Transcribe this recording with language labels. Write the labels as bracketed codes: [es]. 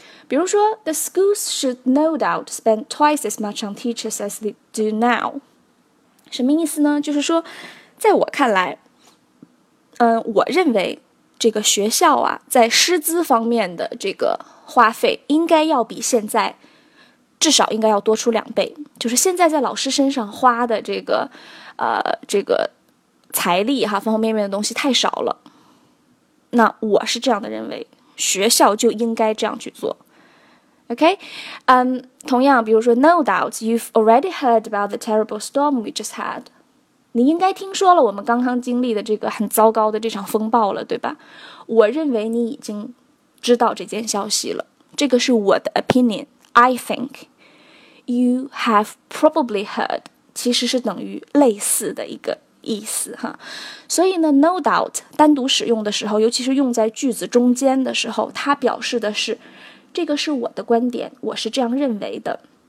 [zh] 比如说 [en] the schools should no doubt spend twice as much on teachers as they do now。 [zh] 什么意思呢？就是说在我看来我认为这个学校啊在师资方面的这个花费应该要比现在至少应该要多出两倍，就是现在在老师身上花的这个财力哈，方方面面的东西太少了。那我是这样的认为，学校就应该这样去做。 [en] Okay? [zh] 同样比如说 [en] no doubt, you've already heard about the terrible storm we just had. [zh] 你应该听说了我们刚刚经历的这个很糟糕的这场风暴了，对吧？我认为你已经知道这件消息了。这个是我的 opinion, [en] I think. You have probably heard, [zh] 其实是等于类似的一个意思哈，所以呢 no doubt 单独使用的时候，尤其是用在句子中间的时候，它表示的是这个是我的观点，我是这样认为的。